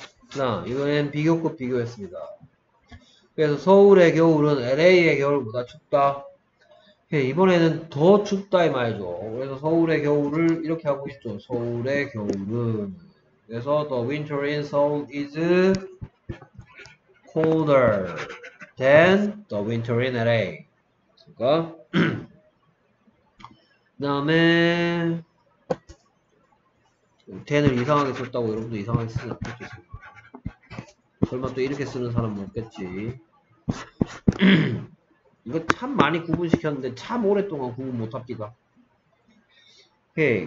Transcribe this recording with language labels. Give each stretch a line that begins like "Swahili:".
Korean: 자, 이번엔 비교급 비교했습니다. 그래서 서울의 겨울은 LA의 겨울보다 춥다. 예, 이번에는 더 춥다 이 말이죠. 그래서 서울의 겨울을 이렇게 하고 싶죠. 서울의 겨울은. 그래서
English: the winter in Seoul is colder than the winter in LA.
Korean: 그니까. 그다음에 텐을 이상하게 썼다고 여러분도 이상하게 쓰지 않겠지. 설마 또 이렇게 쓰는 사람은 없겠지. 이거 참 많이 구분시켰는데 참 오랫동안 구분 못합니다. 오케이.